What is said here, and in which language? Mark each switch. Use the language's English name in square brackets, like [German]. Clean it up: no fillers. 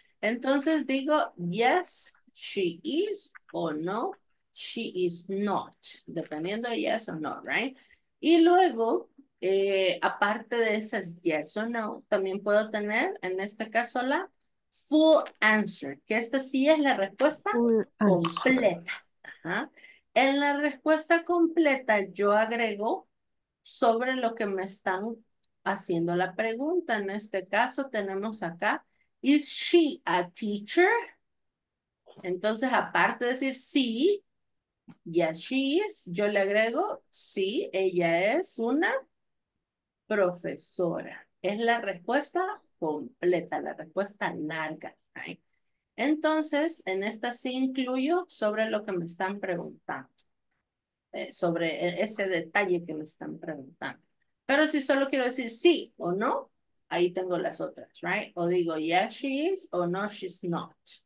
[Spanish] Entonces digo, [English] yes, she is, [Spanish] o no, [English] she is not. [Spanish] Dependiendo de yes o no, right? Y luego, aparte de esas yes o no, también puedo tener, en este caso, la full answer, que esta sí es la respuesta completa. Ajá. En la respuesta completa yo agrego sobre lo que me están haciendo la pregunta. En este caso tenemos acá, [English] is she a teacher? [Spanish] Entonces, aparte de decir sí, [English] yes she is, [Spanish] yo le agrego, sí, ella es una profesora. Es la respuesta completa, la respuesta larga, right? Entonces, en esta sí incluyo sobre lo que me están preguntando, sobre ese detalle que me están preguntando. Pero si solo quiero decir sí o no, ahí tengo las otras, right? O digo, [English] yes, she is, [Spanish] o no, [English] she's not.